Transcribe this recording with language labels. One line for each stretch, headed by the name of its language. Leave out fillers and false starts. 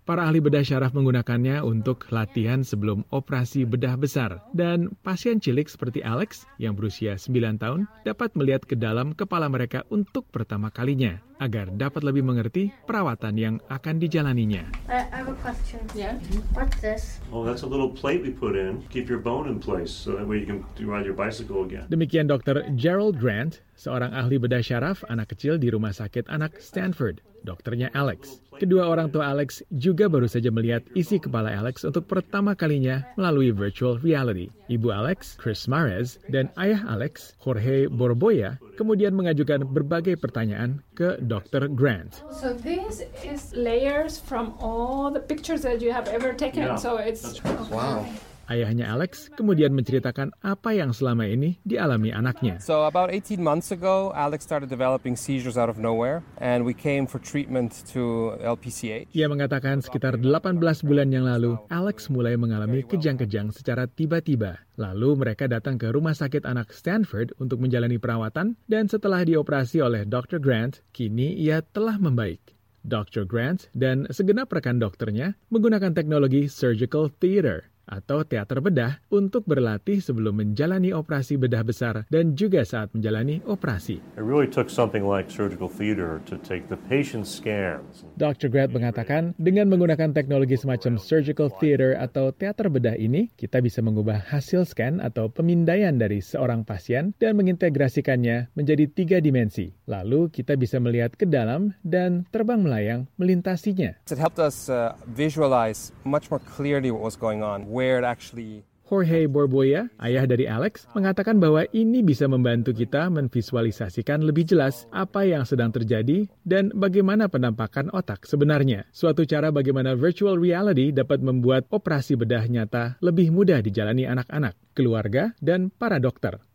Indonesian: Para ahli bedah syaraf menggunakannya untuk latihan sebelum operasi bedah besar. Dan pasien cilik seperti Alex, yang berusia 9 tahun, dapat melihat ke dalam kepala mereka untuk pertama kalinya, agar dapat lebih mengerti perawatan yang akan dijalaninya.
English: I have a question. Yeah. What's this? Oh, that's a little plate we put in. Keep your bone in place so that way you can ride your bicycle again.
Indonesian: Demikian Dr. Gerald Grant, seorang ahli bedah syaraf anak kecil di Rumah Sakit Anak Stanford. dokternya Alex. Kedua orang tua Alex juga baru saja melihat isi kepala Alex untuk pertama kalinya melalui virtual reality. Ibu Alex, Chris Mares, dan ayah Alex, Jorge Borboya, kemudian mengajukan berbagai pertanyaan ke Dr. Grant.
English: So this is layers from all the pictures that you have ever taken. Yeah. So it's okay. Wow.
Indonesian: Ayahnya Alex kemudian menceritakan apa yang selama ini dialami anaknya.
English: So about 18 months ago, Alex started developing seizures out of nowhere and we came for treatment to LPCH.
Indonesian: Ia mengatakan sekitar 18 bulan yang lalu, Alex mulai mengalami kejang-kejang secara tiba-tiba. Lalu mereka datang ke rumah sakit anak Stanford untuk menjalani perawatan dan setelah dioperasi oleh Dr. Grant, kini ia telah membaik. Dr. Grant dan segenap rekan dokternya menggunakan teknologi surgical theater atau teater bedah untuk berlatih sebelum menjalani operasi bedah besar dan juga saat menjalani operasi.
English: It really took something like surgical theater to take the patient scans.
Indonesian: Dr. Grant mengatakan, dengan menggunakan teknologi semacam surgical theater atau teater bedah ini, kita bisa mengubah hasil scan atau pemindaian dari seorang pasien dan mengintegrasikannya menjadi tiga dimensi. Lalu kita bisa melihat ke dalam dan terbang melayang melintasinya.
English: It helped us visualize much more clearly what was going on. Where it actually...
Indonesian: Jorge Borboya, ayah dari Alex, mengatakan bahwa ini bisa membantu kita memvisualisasikan lebih jelas apa yang sedang terjadi dan bagaimana penampakan otak sebenarnya. Suatu cara bagaimana virtual reality dapat membuat operasi bedah nyata lebih mudah dijalani anak-anak, keluarga, dan para dokter.